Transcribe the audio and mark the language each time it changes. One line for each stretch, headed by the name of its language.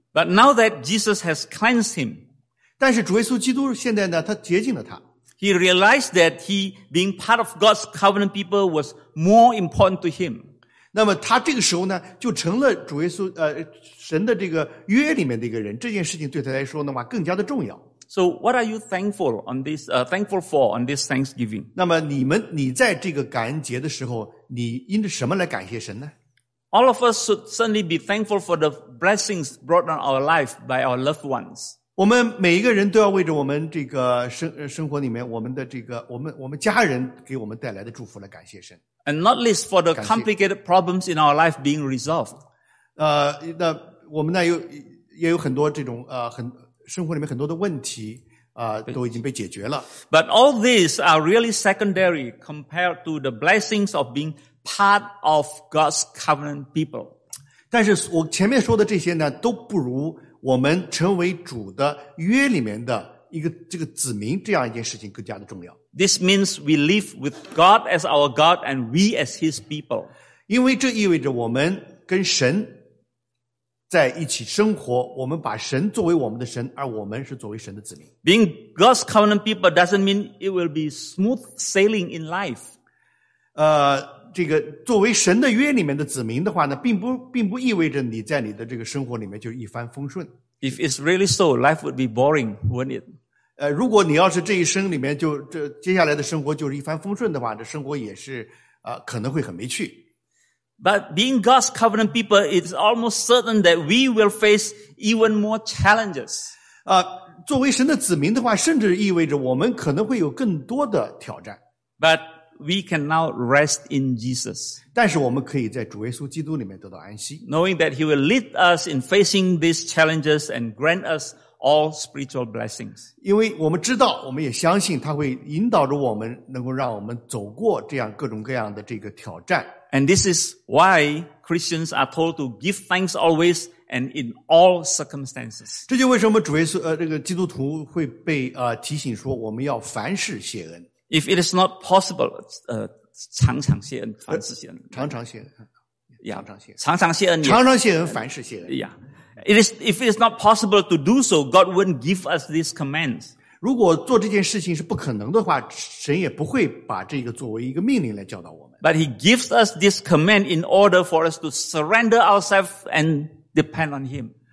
English: But now that Jesus has cleansed him,
Chinese: 但是主耶稣基督现在呢，他洁净了他。
English: He realized that he being part of God's covenant people was more important to him.
Chinese: 那么他这个时候呢，就成了主耶稣神的这个约里面的一个人，这件事情对他来说的话更加的重要。
English: So what are you thankful on this, thankful for on this Thanksgiving?
Chinese: 那么你在这个感恩节的时候，你因着什么来感谢神呢？
English: All of us should certainly be thankful for the blessings brought on our life by our loved ones.
Chinese: 我们每一个人都要为着我们这个生活里面，我们的这个我们家人给我们带来的祝福来感谢神。
English: And not least for the complicated problems in our life being resolved.
Chinese: 那我们呢也有很多这种很生活里面很多的问题都已经被解决了。
English: But all these are really secondary compared to the blessings of being part of God's covenant people.
Chinese: 但是我前面说的这些呢，都不如我们成为主的约里面的一个这个子民这样一件事情更加的重要。
English: This means we live with God as our God and we as His people.
Chinese: 因为这意味着我们跟神在一起生活，我们把神作为我们的神，而我们是作为神的子民。
English: Being God's covenant people doesn't mean it will be smooth sailing in life.
Chinese: 这个作为神的约里面的子民的话呢，并不意味着你在你的这个生活里面就一帆风顺。
English: If it's really so, life would be boring, wouldn't it?
Chinese: 如果你要是这一生里面就这接下来的生活就是一帆风顺的话，这生活也是可能会很没趣。
English: But being God's covenant people, it's almost certain that we will face even more challenges.
Chinese: 作为神的子民的话，甚至意味着我们可能会有更多的挑战。
English: But we can now rest in Jesus.
Chinese: 但是我们可以在主耶稣基督里面得到安息。
English: Knowing that He will lead us in facing these challenges and grant us all spiritual blessings.
Chinese: 因为我们知道，我们也相信他会引导着我们，能够让我们走过这样各种各样的这个挑战。
English: And this is why Christians are told to give thanks always and in all circumstances.
Chinese: 这就为什么主耶稣这个基督徒会被提醒说我们要凡事谢恩。
English: If it is not possible,
Chinese: 常常谢恩，凡事谢恩。常常谢恩。常常谢恩。常常谢恩。常常谢恩，凡事谢恩。 Yeah.
English: If it is not possible to do so, God wouldn't give us these commands.
Chinese: 如果做这件事情是不可能的话，神也不会把这个作为一个命令来教导我们。
English: But he gives us this command in order for us to surrender ourselves and depend on him.